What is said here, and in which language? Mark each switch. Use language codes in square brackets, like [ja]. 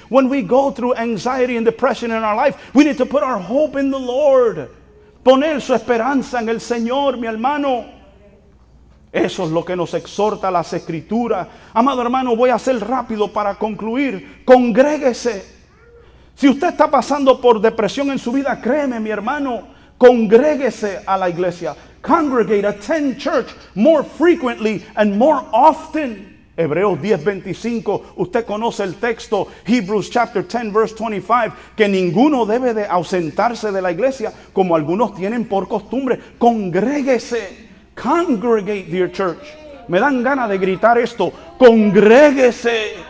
[en] When we go through anxiety and depression in our life, we need to put our hope in the Lord. [es] Poner su esperanza en el Señor, mi hermano. Eso es lo que nos exhorta las Escrituras. Amado hermano, voy a ser rápido para concluir. Congréguese. Si usted está pasando por depresión en su vida, créeme, mi hermano, congréguese a la iglesia. [en] Congregate, attend church more frequently and more often. [es] Hebreos 10:25, usted conoce el texto. [en] Hebrews chapter 10 verse 25, [es] que ninguno debe de ausentarse de la iglesia como algunos tienen por costumbre. Congréguese. [en] Congregate, dear church. [es] Me dan ganas de gritar esto. Congréguese.